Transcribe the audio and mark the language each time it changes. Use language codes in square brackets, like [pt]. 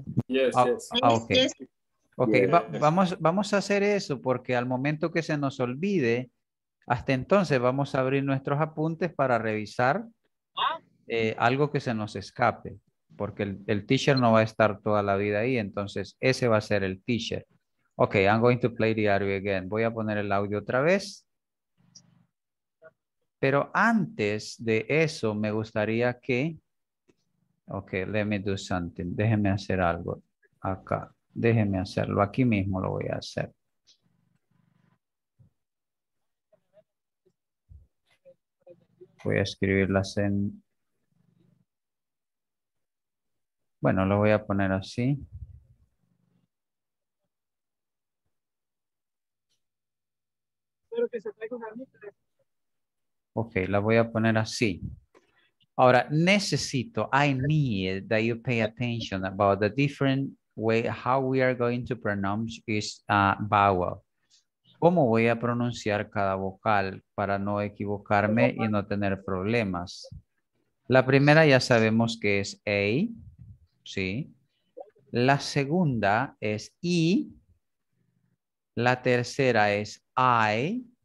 [en] Yes, ok. [es] Ok, vamos a hacer eso porque al momento que se nos olvide, hasta entonces vamos a abrir nuestros apuntes para revisar algo que se nos escape. Porque el teacher no va a estar toda la vida ahí, entonces ese va a ser el teacher. [en] Ok, I'm going to play the audio again. [es] Voy a poner el audio otra vez. Pero antes de eso me gustaría que... Ok, [en] let me do something. [es] Déjeme hacer algo acá. Déjeme hacerlo. Aquí mismo lo voy a hacer. Voy a escribirlas en... Bueno, lo voy a poner así. que se traiga una mitra. Ok, la voy a poner así. Ahora, necesito, [en] I need that you pay attention about the different way how we are going to pronounce each vowel. [es] ¿Cómo voy a pronunciar cada vocal para no equivocarme y no tener problemas? La primera ya sabemos que es A, ¿sí? La segunda es I. La tercera es I.